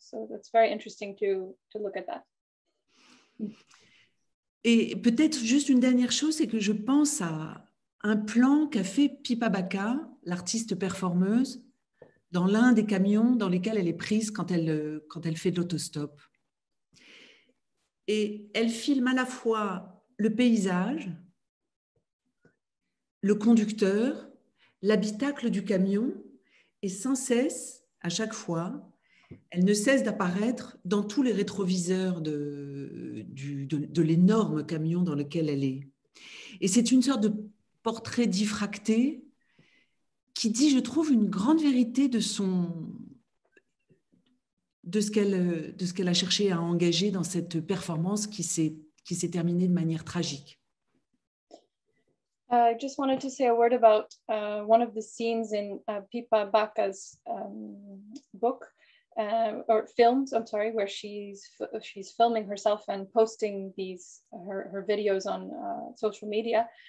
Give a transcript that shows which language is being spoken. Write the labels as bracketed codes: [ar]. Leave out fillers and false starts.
[en] So that's very interesting to look at that. [fr] Et peut-être juste une dernière chose, c'est que je pense à un plan qu'a fait Pippa Bakka, l'artiste performeuse, dans l'un des camions dans lesquels elle est prise quand elle fait de l'autostop. Et elle filme à la fois le paysage, le conducteur, l'habitacle du camion. Et sans cesse, à chaque fois, elle ne cesse d'apparaître dans tous les rétroviseurs de l'énorme camion dans lequel elle est. Et c'est une sorte de portrait diffracté qui dit, je trouve, une grande vérité de ce qu'elle a cherché à engager dans cette performance qui s'est terminée de manière tragique. [en] I just wanted to say a word about one of the scenes in Pippa Bakka's book or films, I'm sorry, where she's filming herself and posting these her videos on social media.